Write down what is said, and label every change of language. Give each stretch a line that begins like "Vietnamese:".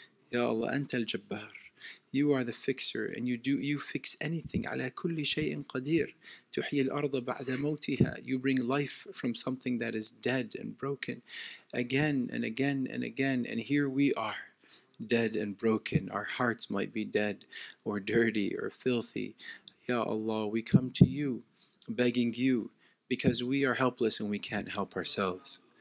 English: Ya Allah, Anta al-Jabbar. You are the fixer, and you fix anything.
Arabic: على كل شيء قدير تحيي الأرض بعد موتها.
English: You bring life from something that is dead and broken, again and again and again. And here we are, dead and broken. Our hearts might be dead, or dirty, or filthy. Ya Allah, we come to you, begging you, because we are helpless and we can't help ourselves.